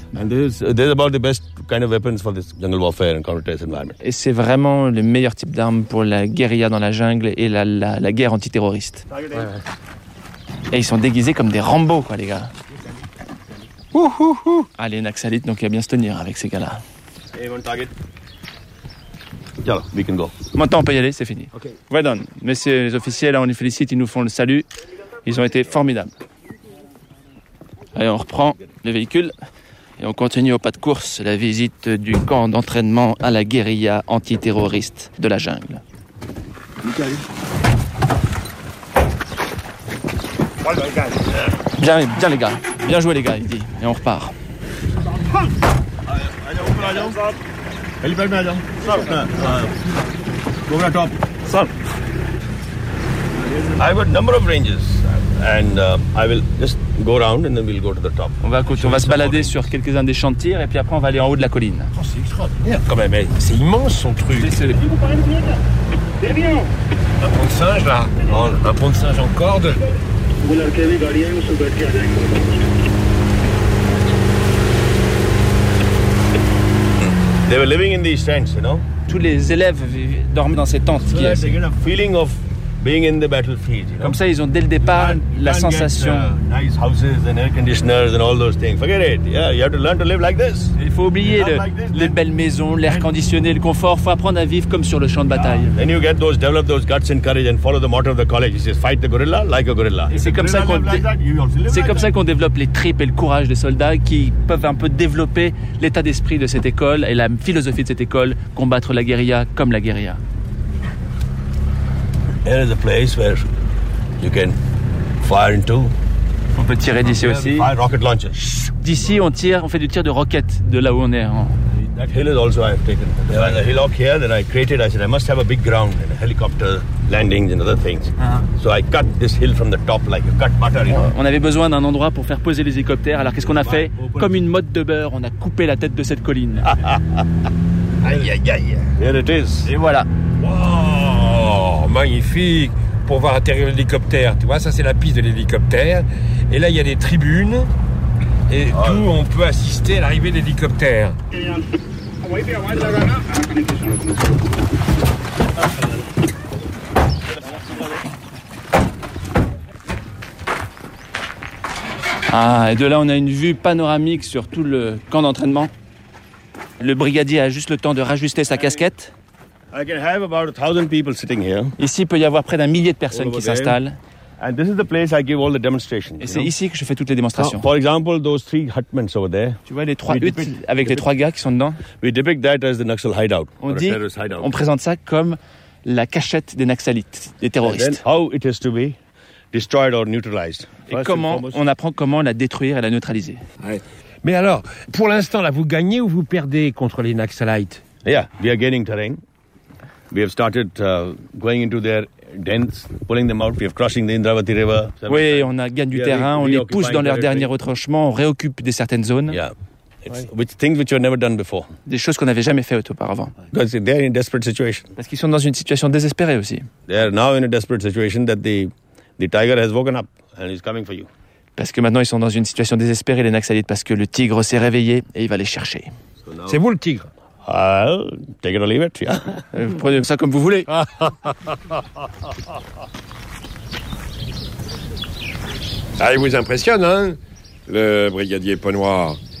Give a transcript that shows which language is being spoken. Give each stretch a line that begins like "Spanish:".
English: And this is about the best kind of weapons for this jungle warfare and counter-terrorist environment.
French: Et c'est vraiment le meilleur type d'arme pour la guérilla dans la jungle et la guerre antiterroriste. Et ils sont déguisés comme des Rambo, quoi, les gars. Allez, Naxalite, donc il va bien se tenir avec ces gars-là.
English: Hey, one target. Yalla, we can go.
French: Maintenant, on peut y aller, c'est fini.
English: Okay. Well done.
French: Messieurs les officiers, là, on les félicite, ils nous font le salut. Ils ont été formidables. Allez, on reprend le véhicule et on continue au pas de course, la visite du camp d'entraînement à la guérilla antiterroriste de la jungle. Bien, bien les gars, bien joué les gars, il dit, et on repart.
English: I've got a number of ranges and I will just go around and then we'll go to the top.
French: On va se balader sur quelques-uns des champs de tir et puis après on va aller en haut de la colline. Oh, c'est extraordinaire quand même, c'est immense son truc. C'est un pont de singe là, un pont de singe en corde.
English: They were living in these tents, you know.
French: Tous les élèves dormaient dans ces tentes.
English: Feeling of being in the battlefield. You know?
French: Comme ça, ils ont dès le départ la sensation.
English: Nice houses and air conditioners and all those things. Forget it. Yeah, you have to learn to live like this.
French: Il faut oublier les belles maisons, l'air conditionné, le confort. Faut apprendre à vivre comme sur le champ de bataille.
English: Then you get those, develop those guts and courage and follow the motto of the college. It says, fight the gorilla like a gorilla.
French: C'est comme ça qu'on développe les tripes et le courage des soldats qui peuvent un peu développer l'état d'esprit de cette école et la philosophie de cette école, combattre la guérilla comme la guérilla.
English: Here is a place where you can fire into.
French: On peut tirer d'ici aussi.
English: Fire rocket launchers.
French: D'ici, on fait du tir de roquette de là où on est.
English: That hill is also I've taken. There is a hillock here that I created. I said I must have a big ground and a helicopter landings and other things. So I cut this hill from the top like you cut butter. You know.
French: On avait besoin d'un endroit pour faire poser les hélicoptères. Alors qu'est-ce qu'on a fait? Comme une motte de beurre, on a coupé la tête de cette colline.
English: Aïe aïe aïe. Here it is.
French: Et voilà. Wow, magnifique, pour voir atterrir l'hélicoptère. Tu vois, ça c'est la piste de l'hélicoptère. Et là, il y a des tribunes et d'où on peut assister à l'arrivée de l'hélicoptère. Ah, et de là, on a une vue panoramique sur tout le camp d'entraînement. Le brigadier a juste le temps de rajuster sa casquette.
English: I can have about 1,000 people sitting here.
French: Ici, il peut y avoir près d'un millier de personnes qui s'installent.
English: And this is the place I give all the demonstrations.
French: Et c'est ici que je fais toutes les démonstrations.
English: For example, those three hutments over there.
French: Tu vois les trois huttes avec les trois gars qui sont dedans.
English: We depict that as the Naxal hideout.
French: On présente ça comme la cachette des Naxalites, des terroristes.
English: And then how it is to be destroyed or neutralized.
French: Et comment on apprend comment la détruire et la neutraliser. Mais alors, pour l'instant, là, vous gagnez ou vous perdez contre les Naxalites?
English: Yeah, we are gaining terrain. We have started going into their dens, pulling them out. We have crossing the Indravati River.
French: Oui, on a gagné du terrain. On les pousse dans leur dernier retranchement. On réoccupe des certaines zones.
English: Yeah, things which you've never done before.
French: Des choses qu'on n'avait jamais fait auparavant.
English: Because they're in a desperate situation.
French: Parce qu'ils sont dans une situation désespérée aussi.
English: They are now in a desperate situation that the tiger has woken up and is coming for you.
French: Parce que maintenant ils sont dans une situation désespérée les Naxalites parce que le tigre s'est réveillé et il va les chercher. So c'est vous le tigre.
English: I'll take it or leave it, yeah.
French: Vous prenez ça comme vous voulez. Ah, il vous impressionne, hein, le brigadier Penoir.